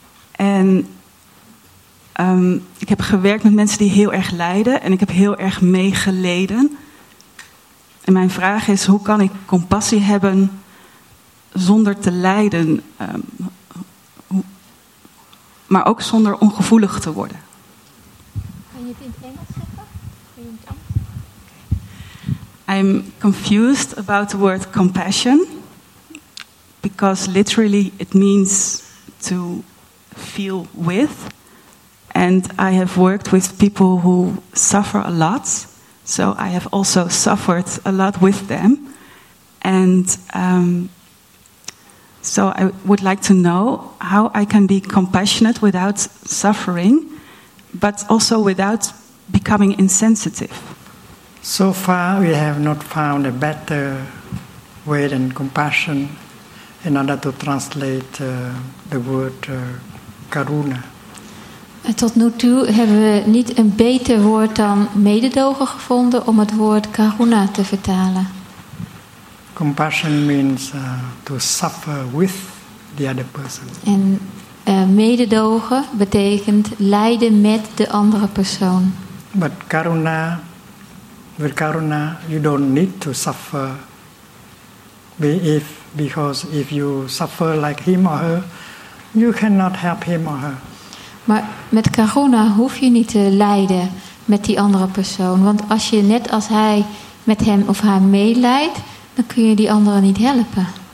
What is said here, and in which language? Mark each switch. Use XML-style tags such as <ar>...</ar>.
<nl>En ik heb gewerkt met mensen die heel erg lijden en ik heb heel erg meegeleden. En mijn vraag is, hoe kan ik compassie hebben zonder te lijden, maar ook zonder ongevoelig te worden. Kan je het in het Engels zeggen?</nl> <en>I'm confused about the word compassion, because literally it means to feel with, and I have worked with people who suffer a lot, so I have also suffered a lot with them, and so I would like to know how I can be compassionate without suffering, but also without becoming insensitive. So far, we have not found a better way than compassion in order to translate the word karuna.</en> <nl>Tot nu toe hebben we niet een beter woord dan mededogen gevonden om het woord karuna te vertalen.</nl> <en>Compassion means to suffer with the other person.</en> <nl>En mededogen betekent lijden met de andere persoon.</nl> <en>But karuna, with karuna, you don't need to suffer. Because if you suffer like him or her, you cannot help him or her.</en> <nl>Maar met karuna hoef je niet te lijden met die andere persoon. Want als je net als hij met hem of haar meelijdt, dan kun je die anderen niet helpen.</nl>